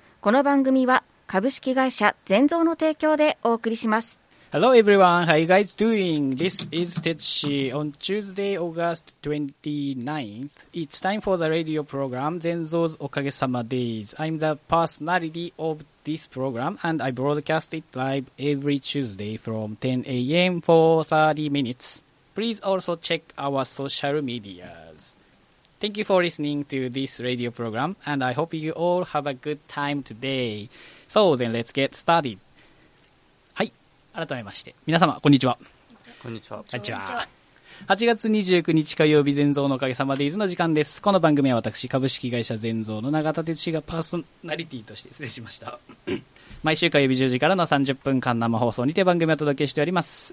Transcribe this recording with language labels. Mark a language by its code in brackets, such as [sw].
[ja] この番組は株式会社全蔵の提供でお送りします。 [en] Hello everyone, how you guys doing? This is Tetsushi. On Tuesday, August 29th, it's time for the radio program 全蔵's おかげさまデイズ。 I'm the personality of this program and I broadcast it live every Tuesday from 10 a.m. for 30 minutes. Please also check our social mediaThank you for listening to this radio program, and I hope you all have a good time today. So then, let's get started. [ja] はい、改めまして、皆様、こんにちは。こんにちは。こんにちは。 8月29日火曜日、全蔵のおかげさまでイズの時間です。この番組は私、株式会社全蔵の永田哲司がパーソナリティとして、失礼しました。毎週火曜日10時からの30分間生放送にて番組をお届けしております。